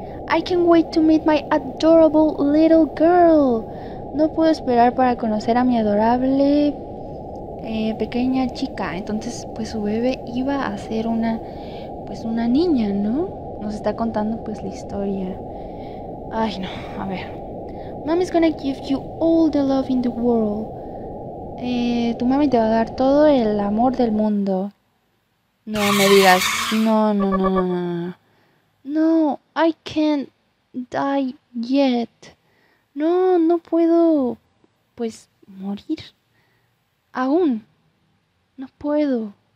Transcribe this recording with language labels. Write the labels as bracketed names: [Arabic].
[English] I can't wait to meet my adorable little girl. [Spanish] No puedo esperar para conocer a mi adorable pequeña chica. Entonces, pues su bebé iba a ser una niña, ¿no? Nos está contando pues la historia. Ay, no, a ver. [English] Mommy's gonna give you all the love in the world. [Spanish] Tu mami te va a dar todo el amor del mundo. No me digas. No, no, no, no, no. No, [English] I can't die yet. [Spanish] No, no puedo, pues, morir. Aún. No puedo.